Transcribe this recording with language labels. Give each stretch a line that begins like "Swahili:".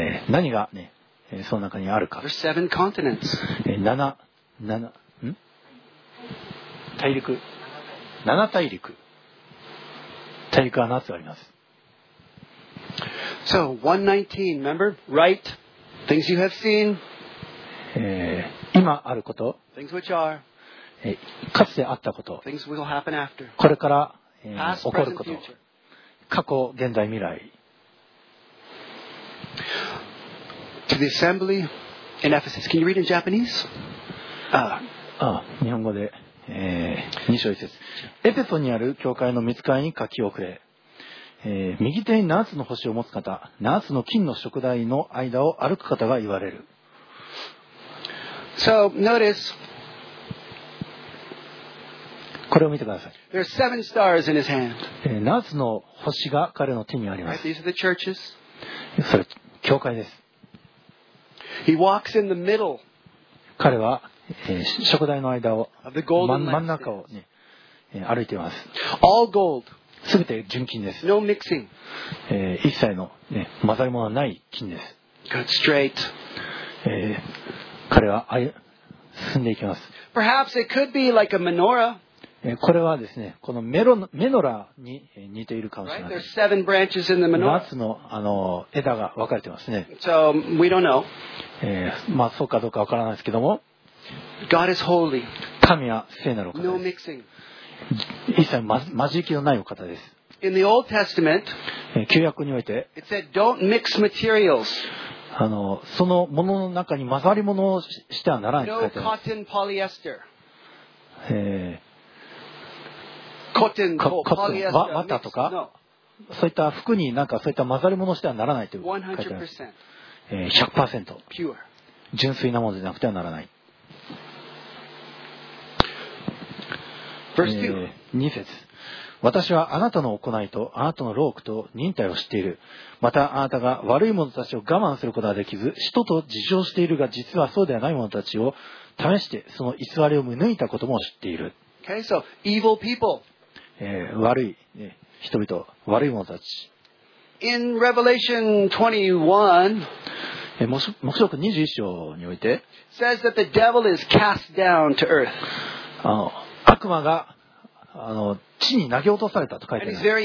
Japanese: 何が、ね、その中にあるか。
English: There's seven continents.
Japanese: 7大陸。大陸は7つあります。
English: So, 119, remember? Right. Things you have seen.
Japanese: 今あること。
English: Things which are.
Japanese: かつてあったこと。
English: Things will happen after.
Japanese: これから、
English: Past,
Japanese: 起こること。
English: Present,
Japanese: 過去、現在、未来。
English: To the assembly in Ephesus. Can you read in Japanese?
Japanese: ああ、日本語で。二章一節。エペソにある教会の御使いに書き送れ。右手に七つの星を持つ方、七つの金の燭台の間を歩く方が言われる。
English: So, notice.
Japanese: これを見てください。
English: There are seven stars in his hand.
Japanese: 七つの星が彼の手にあります。
English: Right, these are the churches.
Japanese: それ、教会です。
English: He walks in the middle.
Japanese: 彼は、燭台の間を、真ん中を、ね、歩いています。
English: All gold.
Japanese: すべて純金です。
English: No mixing.
Japanese: 一切の、ね、混ざり物はない金です。
English: Got straight.
Japanese: 彼は進んでいきます。
English: Perhaps it could be like a menorah.
Japanese: これはですね、このメノラに似ているかもしれません。
English: Right? There's seven branches in the menorah.
Japanese: 7つの、枝が分かれてますね。
English: So we don't know.
Japanese: まあそうかどうかわからないですけども。
English: God is holy.
Japanese: 神は聖なるお方です。
English: No mixing.
Japanese: 一切混じり気のないお方です。
English: In the Old Testament,
Japanese: 旧約において
English: it said, don't mix materials.
Japanese: そのものの中に混ざり物をしてはならない。
English: No cotton polyester. Cotton polyester.
Japanese: 綿とか、
English: no.
Japanese: そういった服になんかそういった混ざり物をしてはならないと書いてあります。
English: 100% pure.
Japanese: 純粋なものでなくてはならない。 2節。私はあなたの行いとあなたの労苦と忍耐を知っている。またあなたが悪い者たちを我慢することはできず、人と自称しているが実はそうではない者たちを試してその偽りを見抜いたことも知っている。
English: Okay, so evil people.
Japanese: 悪い、ね、人々、悪い者たち。
English: In Revelation 21,
Japanese: 黙示録21章において、
English: says that the devil is cast down to earth.
Japanese: 悪魔が地に投げ落とされたと書いてあります。